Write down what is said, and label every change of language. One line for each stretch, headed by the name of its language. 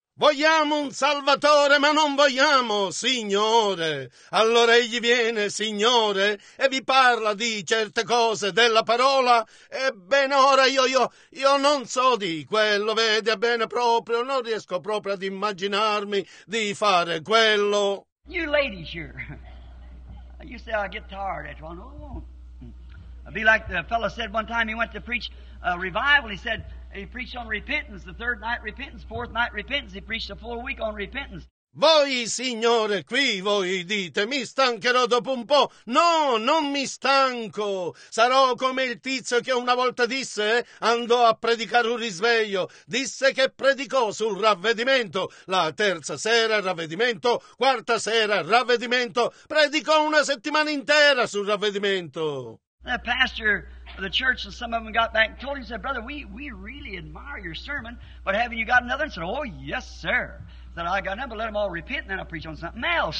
Italian: Vogliamo un Salvatore, ma non vogliamo, Signore. Allora egli viene, Signore, e vi parla di certe cose della parola. Ebbene, ora io non so di quello, vede, bene proprio. Non riesco proprio ad immaginarmi di fare quello.
English: You ladies here. You say, I get tired after one. Oh, I'd be like the fellow said one time he went to preach a revival. He said he preached on repentance, the third night repentance, fourth night repentance. He preached a full week on repentance.
Italian: Voi, Signore, qui voi dite, mi stancherò dopo un po'. No, non mi stanco. Sarò come il tizio che una volta disse, andò a predicare un risveglio. Disse che predicò sul ravvedimento. La terza sera ravvedimento, quarta sera ravvedimento. Predicò una settimana intera sul ravvedimento.
English: The pastor of the church and some of them got back and told him, said, brother, we really admire your sermon, but haven't you got another? And said, oh, yes, sir. That I got number, let them all repent, and then I'll preach on something else.